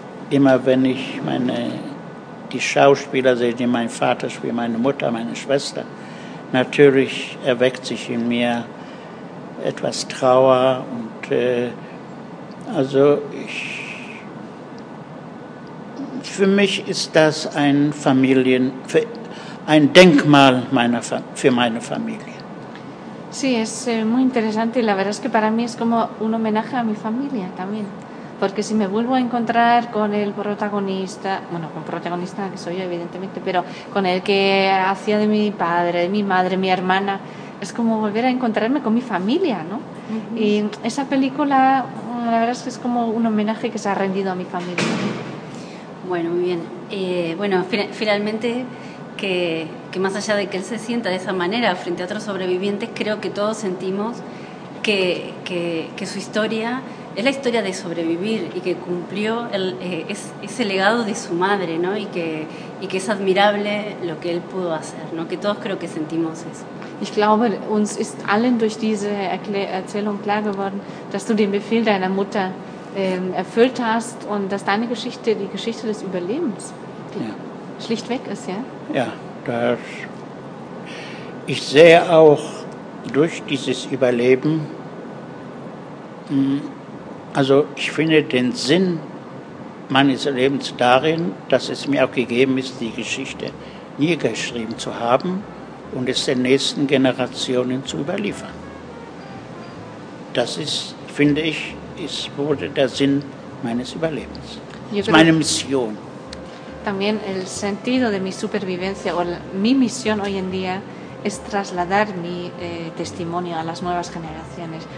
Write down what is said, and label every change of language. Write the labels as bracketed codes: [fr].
[de] Immer wenn ich die Schauspieler sehe, die mein Vater spielt, meine Mutter, meine Schwester, natürlich erweckt sich in mir etwas Trauer und also für mich ist das ein Familien, ein Denkmal für meine Familie. [es] Sí, es muy interesante y la verdad es que para mí es como un homenaje a mi familia también. Porque si me vuelvo a encontrar con el protagonista, bueno, con protagonista que soy yo evidentemente, pero con el que hacía de mi padre, de mi madre, mi hermana, es como volver a encontrarme con mi familia, ¿no? Uh-huh. Y esa película, la verdad es que es como un homenaje que se ha rendido a mi familia. Bueno, muy bien. Bueno, finalmente, que más allá de que él se sienta de esa manera frente a otros sobrevivientes, creo que todos sentimos que su historia es la historia de sobrevivir y que cumplió ese legado de su madre, ¿no? Y que es admirable lo que él pudo hacer, ¿no? Que todos creo que sentimos eso. [de] Ich glaube, uns ist allen durch diese Erzählung klar geworden, dass du den Befehl deiner Mutter erfüllt hast und dass deine Geschichte die Geschichte des Überlebens schlichtweg ist, ja? Ja, das. Ich sehe auch durch dieses Überleben, also ich finde den Sinn meines Lebens darin, dass es mir auch gegeben ist, die Geschichte niedergeschrieben zu haben und es den nächsten Generationen zu überliefern. Das ist, finde ich, ist wurde der Sinn meines Überlebens. Es ist meine Mission. [es] También el sentido de mi supervivencia o mi misión hoy en día es trasladar mi testimonio a las nuevas generaciones.